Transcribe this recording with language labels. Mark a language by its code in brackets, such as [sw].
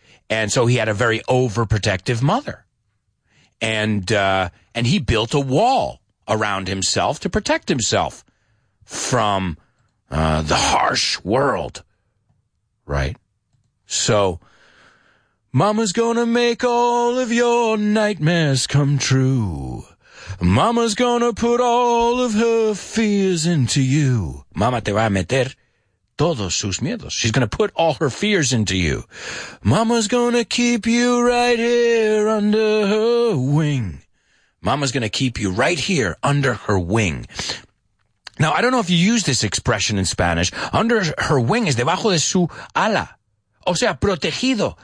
[en] And so he had a very overprotective mother. And he built a wall around himself to protect himself from the harsh world. Right? So, mama's gonna make all of your nightmares come true. Mama's gonna put all of her fears into you. [es] Mama te va a meter todos sus miedos. [en] She's gonna put all her fears into you. Mama's gonna keep you right here under her wing. Mama's gonna keep you right here under her wing. Now, I don't know if you use this expression in Spanish. [es] Under her wing is debajo de su ala. O sea, protegido.